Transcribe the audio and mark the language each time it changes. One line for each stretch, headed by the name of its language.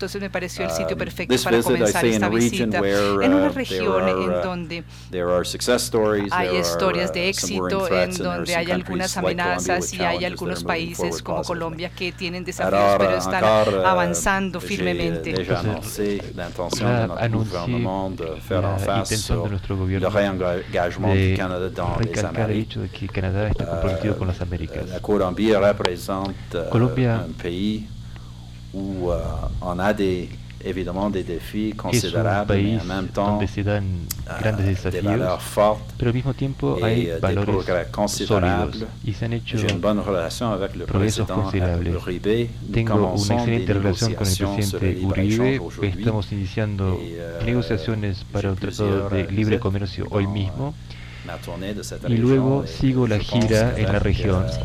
Spanish: Entonces me pareció el sitio perfecto para comenzar esta visita, en una región en donde hay historias de éxito, en donde hay algunas amenazas y hay algunos países como Colombia que tienen desafíos, pero están avanzando firmemente. Ya anuncié la intención de nuestro gobierno de recalcar el hecho de que Canadá está comprometido con las Américas. Colombia representa un país donde
French: on a évidemment des défis considérables, mais en même temps des valeurs fortes,
Spanish: pero al mismo tiempo hay valores considerables.
French: J'ai une bonne relation avec le président Uribe.
Spanish: Tengo una excelente relación con el presidente Uribe. Estamos iniciando negociaciones para un tratado de libre comercio hoy mismo. Y luego sigo la gira en la región.